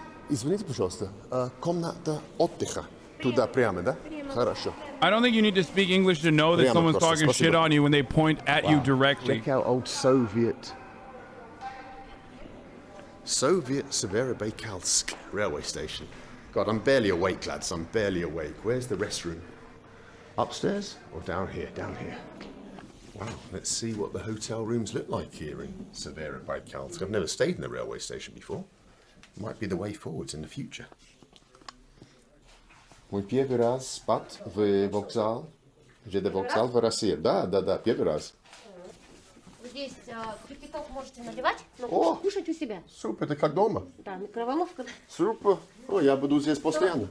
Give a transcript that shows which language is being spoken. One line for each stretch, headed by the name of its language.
Russian: Извините, пожалуйста, комната отдыха. Туда прямо, да? Хорошо.
English: I don't think you need to speak English to know that someone's talking shit on you when they point at you directly. Check out old Soviet Severobaykalsk railway station. God, I'm barely awake, lads. I'm barely awake. Where's the restroom? Upstairs or down here? Down here. Wow, let's see what the hotel rooms look like here in Severobaykalsk. I've never stayed in the railway station before. Might be the way forwards in the future.
Russian: Мы первый раз спать в вокзал. Где вокзал в России? Да, да, да, первый раз. Здесь кипяток можете наливать, но кушать у себя. Супер, это как дома? Да, микроволновка. Супер. Ну, я буду здесь постоянно.